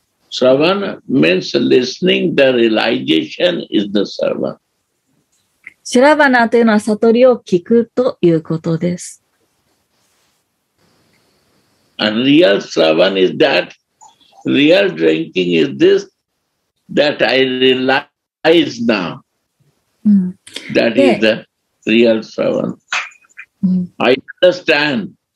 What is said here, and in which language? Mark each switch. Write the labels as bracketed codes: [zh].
[en] Shravan means listening, the realization is the Shravan. [ja] シュラバナというのは悟りを聞くということです。 [en] A real shravan is that, real drinking is this, that I realize now.、That is the real shravan.、I understand.